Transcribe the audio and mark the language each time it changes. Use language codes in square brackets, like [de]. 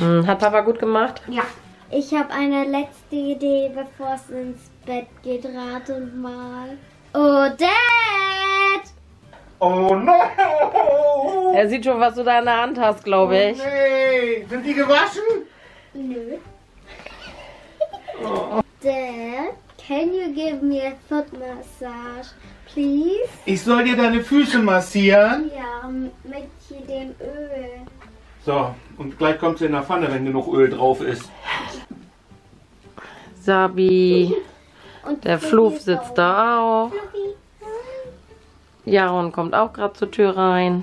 [de] Hat Papa gut gemacht? Ja. Ich habe eine letzte Idee, bevor es ins Bett geht. Rat und mal. [en] Oh, Dad! Oh, no! [de] Er sieht schon, was du da in der Hand hast, glaube ich. Oh, nee! Sind die gewaschen? Nö. [en] Dad, can you give me a foot massage, please? [de] Ich soll dir deine Füße massieren? Ja, mit hier dem Öl. So, und gleich kommt sie in der Pfanne, wenn genug Öl drauf ist. Sabi. Und der Fluff sitzt da auch. Jaron kommt auch gerade zur Tür rein.